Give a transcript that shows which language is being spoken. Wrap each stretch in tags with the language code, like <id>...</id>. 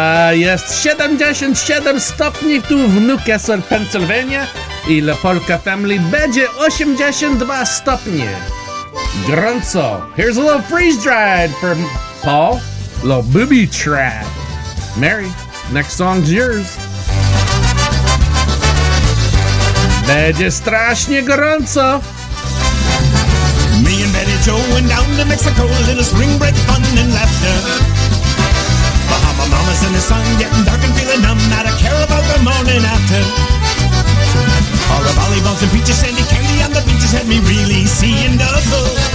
<pl>Jest 7 dziesięć stopni tu w Newcastle, Pennsylvania i La Polka Family będzie 82 stopnie. Gorąco.</pl> <en>Here's a little freeze-dried from Paul. Little booby trap. Mary, next song's yours.</en> <pl>Będzie strasznie gorąco.</pl> <en>Me and Betty Joe went down to Mexico, a little spring break fun and laughter. In the sun getting dark and feeling numb, not a care about the morning after. All the volleyballs and peaches, sandy candy on the beaches had me really seeing double.</en>